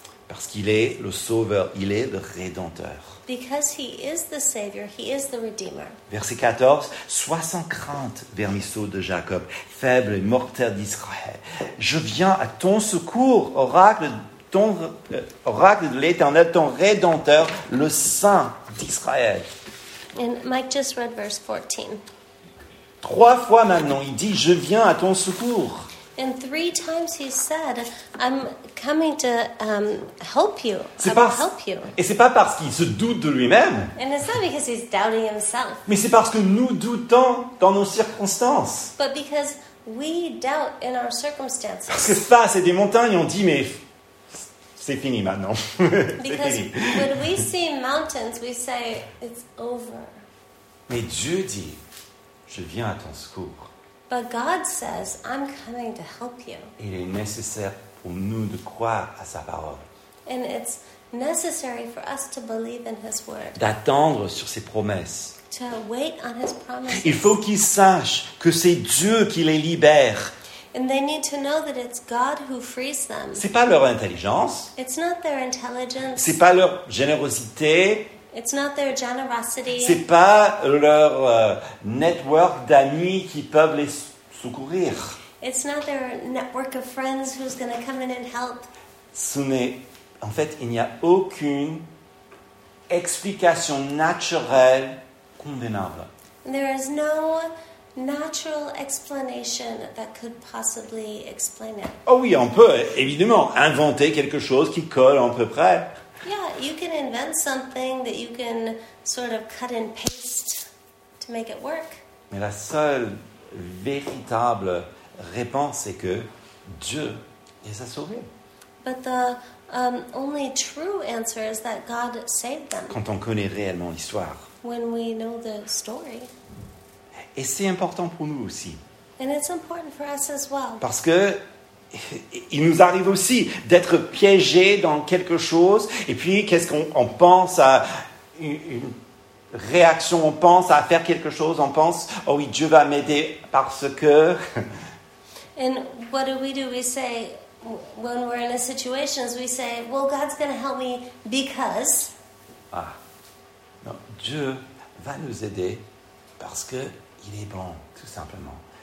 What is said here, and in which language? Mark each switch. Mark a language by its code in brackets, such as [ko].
[fr] Parce qu'il est le Sauveur, il est le Rédempteur. [en] Because he is the Savior, he is the Redeemer. [fr] Verset 14, sois sans crainte, vermisseau de Jacob, faible et mortel d'Israël. Je viens à ton secours, oracle ton oracle de l'Éternel, ton Rédempteur, le Saint d'Israël. [en] And Mike just read verse 14. [fr] Trois fois maintenant, il dit, je viens à ton secours. [en] And three times he said, I'm coming to help you. [fr] Et c'est pas parce qu'il se doute de lui-même. [en] And it's not because he's doubting himself. [fr] Mais c'est parce que nous doutons dans nos circonstances. [en] But because we doubt in our circumstances. [fr] Parce que face à des montagnes, on dit, mais c'est fini maintenant. [en] Because when we see mountains, we say, it's over. [fr] Mais Dieu dit, je viens à ton secours. [en] But God says, I'm coming to help you. [fr] Il est nécessaire pour nous de croire à sa parole. [en] And it's necessary for us to believe in his word. [fr] D'attendre sur ses promesses. [en] To wait on his promises. [fr] Il faut qu'ils sachent que c'est Dieu qui les libère. [en] And they need to know that it's God who frees them. [fr] C'est pas leur intelligence. [en] It's not their intelligence. [fr] C'est pas leur générosité. [en] It's not their generosity. [fr] C'est pas leur network d'amis qui peuvent les secourir. [en] It's not their network of friends who's going to come in and help. [fr] Ce n'est, en fait, il n'y a aucune explication naturelle convenable. [en] There is no natural explanation that could possibly explain it. [fr] Oh oui, on peut évidemment inventer quelque chose qui colle à peu près. [en] Yeah, you can invent something that you can sort of cut and paste to make it work. [fr] Mais la seule véritable réponse est que Dieu les a sauvés. [en] But the only true answer is that God saved them. [fr] Quand on connaît réellement l'histoire. [en] When we know the story. [fr] Et c'est important pour nous aussi. [en] And it's important for us as well. [fr] Parce que il nous arrive aussi d'être piégés dans quelque chose et puis qu'est-ce qu'on pense à une réaction, on pense à faire quelque chose, on pense, oh oui, Dieu va m'aider parce que... [en] And what do? We say, when we're in a situation, we say, well, God's going to help me because... [fr] Ah, non, Dieu va nous aider parce que il est bon, tout simplement.